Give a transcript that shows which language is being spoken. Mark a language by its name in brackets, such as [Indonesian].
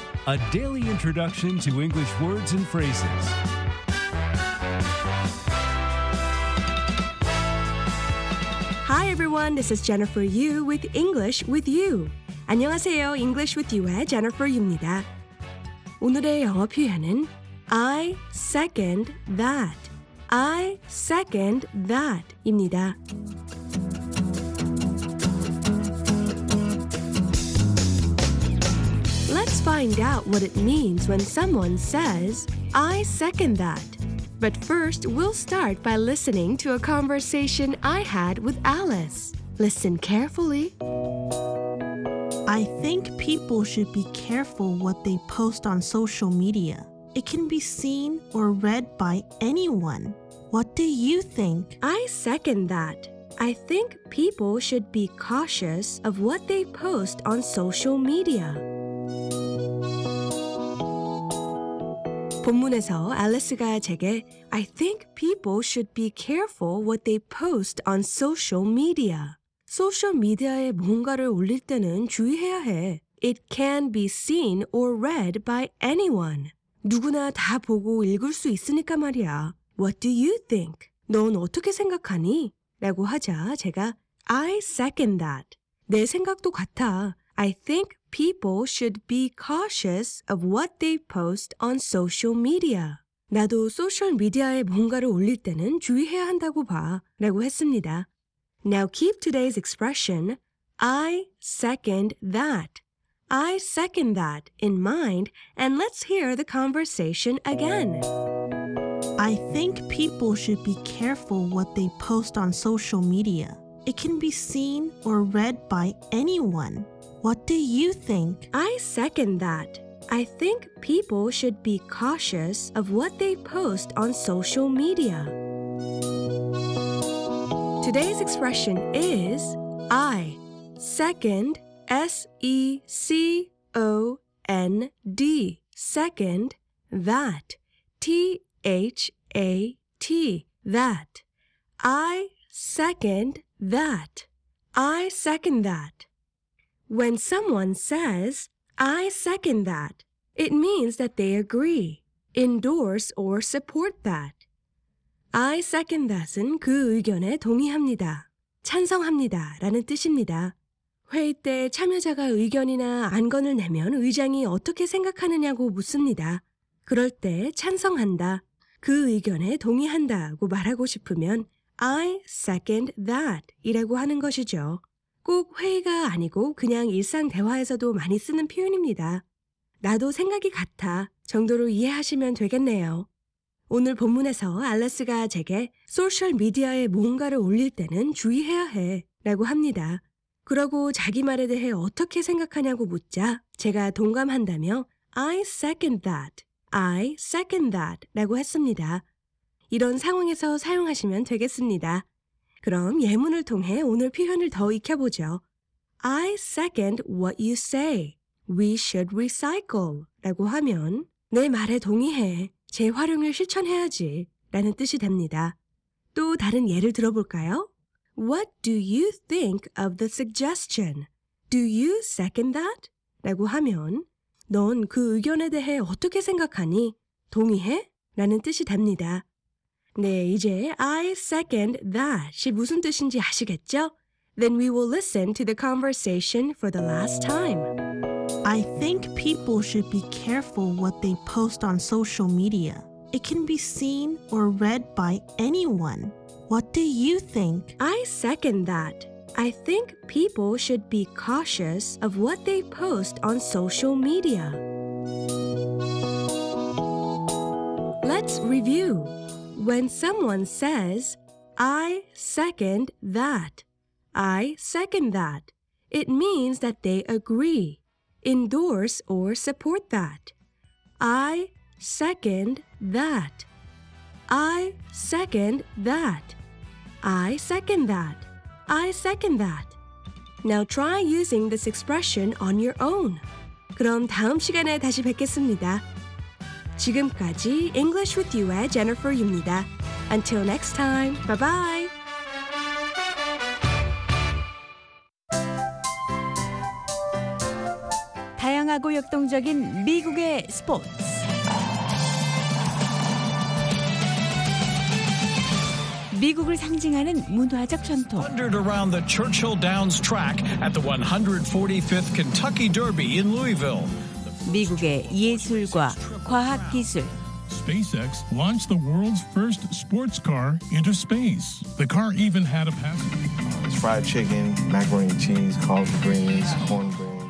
[English] A daily introduction to English words and phrases. Hi everyone, this is Jennifer Yu with English with you. [Korean] 안녕하세요, English with you의 Jennifer Yu입니다. 오늘의 영어 표현은 [English] I second that. I second that [Korean] 입니다. [English] 'Find out what it means when someone says, I second that. But first, we'll start by listening to a conversation I had with Alice. Listen carefully. I think people should be careful what they post on social media. It can be seen or read by anyone. What do you think? I second that. I think people should be cautious of what they post on social media. [Korean] 본문에서 앨리스가 제게 [English] I think people should be careful what they post on social media. [Korean] 소셜 미디어에 뭔가를 올릴 때는 주의해야 해. [English] It can be seen or read by anyone. [Korean] 누구나 다 보고 읽을 수 있으니까 말이야. [English] What do you think? [Korean] 넌 어떻게 생각하니? 라고 하자 제가 [English] I second that. [Korean] 내 생각도 같아. [English] I think people should be cautious of what they post on social media. [Korean] 나도 소셜 미디어에 뭔가를 올릴 때는 주의해야 한다고 봐. 라고 했습니다. [English] Now keep today's expression, I second that. I second that in mind, and let's hear the conversation again. I think people should be careful what they post on social media. It can be seen or read by anyone. What do you think? I second that. I think people should be cautious of what they post on social media. Today's expression is I second, S-E-C-O-N-D, second, that, T-H-A-T, that. I second that. I second that. When someone says, I second that, it means that they agree, endorse or support that. I second that [Korean] 은 그 의견에 동의합니다. 찬성합니다 라는 뜻입니다. 회의 때 참여자가 의견이나 안건을 내면 의장이 어떻게 생각하느냐고 묻습니다. 그럴 때 찬성한다, 그 의견에 동의한다고 말하고 싶으면 I second that 이라고 하는 것이죠. 꼭 회의가 아니고 그냥 일상 대화에서도 많이 쓰는 표현입니다. 나도 생각이 같아 정도로 이해하시면 되겠네요. 오늘 본문에서 알레스가 제게 소셜 미디어에 뭔가를 올릴 때는 주의해야 해 라고 합니다. 그러고 자기 말에 대해 어떻게 생각하냐고 묻자 제가 동감한다며 [English] I second that. I second that [Korean] 라고 했습니다. 이런 상황에서 사용하시면 되겠습니다. 그럼 예문을 통해 오늘 표현을 더 익혀보죠. [English] I second what you say. We should recycle. [Korean] 라고 하면 내 말에 동의해. 재활용을 실천해야지. 라는 뜻이 됩니다. 또 다른 예를 들어볼까요? [English] What do you think of the suggestion? Do you second that? [Korean] 라고 하면 넌 그 의견에 대해 어떻게 생각하니? 동의해? 라는 뜻이 됩니다. 네, 이제 [English] I second that [Korean] 이 무슨 뜻인지 아시겠죠? [English] Then we will listen to the conversation for the last time. I think people should be careful what they post on social media. It can be seen or read by anyone. What do you think? I second that. I think people should be cautious of what they post on social media. Let's review. When someone says, I second that, I second that, it means that they agree, endorse or support that. I second that. I second that. I second that. I second that. Now try using this expression on your own. [Korean] 그럼 다음 시간에 다시 뵙겠습니다. 지금까지 English with you의 Jennifer입니다. [English] Until next time, bye-bye! [Korean] 다양하고 역동적인 미국의 스포츠. 미국을 상징하는 문화적 전통. [English] Thundered around the Churchill Downs track at the 145th Kentucky Derby in Louisville. [Korean] 미국의 예술과 과학 기술. [English] SpaceX launched the world's first sports car into space. The car even had a passenger. It's fried chicken, macaroni and cheese, collard greens, cornbread.